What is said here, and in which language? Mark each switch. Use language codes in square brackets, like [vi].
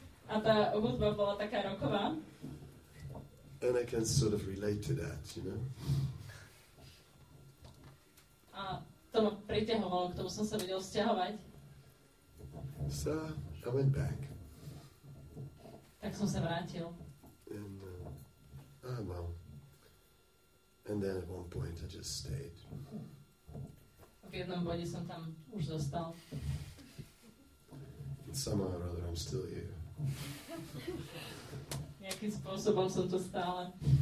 [sk] A tá hudba bola taká rocková. [en] And I can sort of relate to that, you know. [sk] A to ma priťahovalo, k tomu som sa vedel sťahovať. [en] So, I went back. [sk] Tak som sa vrátil. [en] And, well. And then at one point I just stayed. [sk] V jednom bode som tam už zostal. [en] And somehow or other I'm still here. [sk] Nejakým spôsobom som to stále.